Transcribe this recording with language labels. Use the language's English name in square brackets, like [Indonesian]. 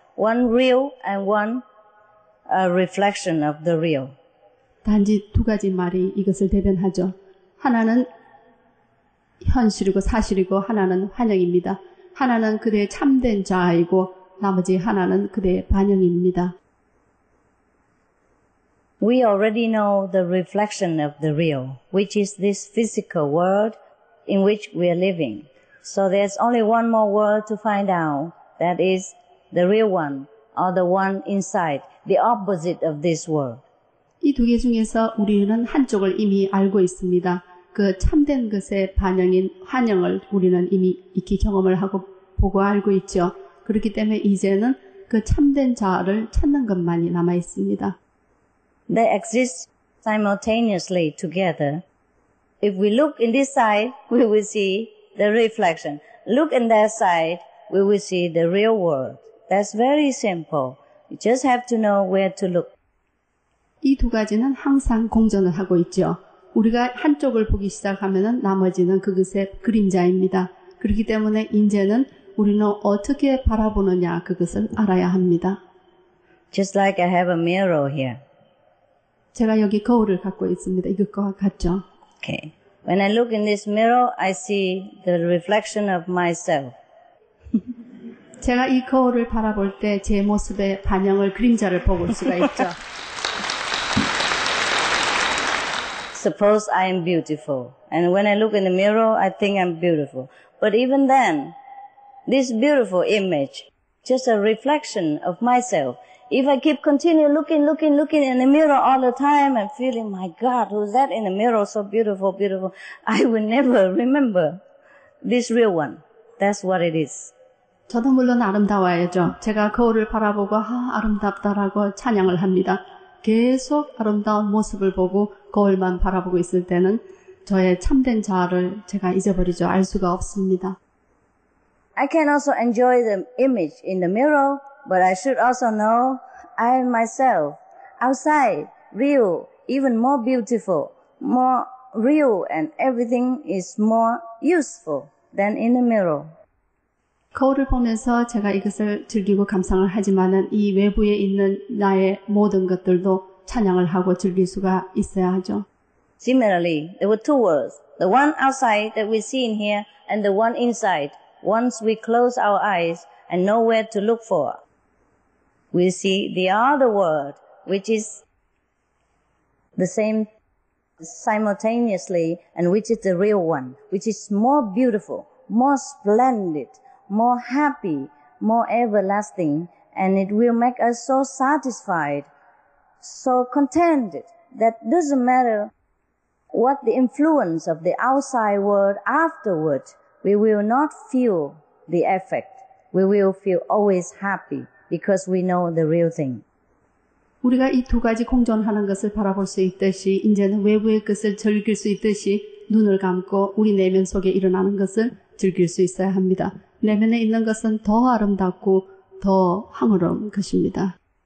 [English] One real and one a reflection of the real. [Korean] 단지 두 가지 말이 이것을 대변하죠. 하나는 현실이고 사실이고 하나는 환영입니다. 하나는 그대의 참된 자아이고 나머지 하나는 그대의 반영입니다. [English] We already know the reflection of the real, which is this physical world in which we are living. So there's only one more world to find out, that is the real one, or the one inside, the opposite of this world. [Korean] 이 두 개 중에서 우리는 한쪽을 이미 알고 있습니다. 그 참된 것의 반영인 환영을 우리는 이미 익히 경험을 하고 보고 알고 있죠. 그렇기 때문에 이제는 그 참된 자아를 찾는 것만이 남아 있습니다. [English] They exist simultaneously together. If we look in this side, we will see the reflection. Look in that side, we will see the real world. That's very simple. You just have to know where to look. [Korean] 이 두 가지는 항상 공존을 하고 있죠. 우리가 한쪽을 보기 시작하면 나머지는 그것의 그림자입니다. 그렇기 때문에 이제는 우리는 어떻게 바라보느냐 그것을 알아야 합니다. [English] Just like I have a mirror here. [Korean] 제가 여기 거울을 갖고 있습니다. 이것과 같죠. [English] Okay. When I look in this mirror, I see the reflection of myself. [Korean] 제가 이 거울을 바라볼 때 제 모습의 반영을 그림자를 보고 볼 수가 있죠. [English] Suppose I am beautiful. And when I look in the mirror, I think I'm beautiful. But even then, this beautiful image, just a reflection of myself. If I keep continuing looking in the mirror all the time and feeling, my God, who's that in the mirror? So beautiful, beautiful. I will never remember this real one. That's what it is. [Korean] 저도 물론 아름다워야죠. 제가 거울을 바라보고, 아, 아름답다라고 찬양을 합니다. 계속 아름다운 모습을 보고 거울만 바라보고 있을 때는 저의 참된 자아를 제가 잊어버리죠. 알 수가 없습니다. [English] I can also enjoy the image in the mirror, but I should also know I am myself, outside, real, even more beautiful, more real, and everything is more useful than in the mirror. [Korean] 거울을 보면서 제가 이것을 즐기고 감상을 하지만은 이 외부에 있는 나의 모든 것들도 찬양을 하고 즐길 수가 있어야 하죠. [English] Similarly, there were two worlds. The one outside that we see in here and the one inside. Once we close our eyes and know where to look for, we see the other world, which is the same simultaneously and which is the real one, which is more beautiful, more splendid, more happy, more everlasting, and it will make us so satisfied, so contented, that doesn't matter what the influence of the outside world afterward, we will not feel the effect. We will feel always happy because we know the real thing. [Korean] 우리가 이 두 가지 공존하는 것을 바라볼 수 있듯이 이제는 외부의 것을 즐길 수 있듯이 눈을 감고 우리 내면 속에 일어나는 것을 즐길 수 있어야 합니다. 내면에 있는 것은 더 아름답고 더 황홀한 것입니다.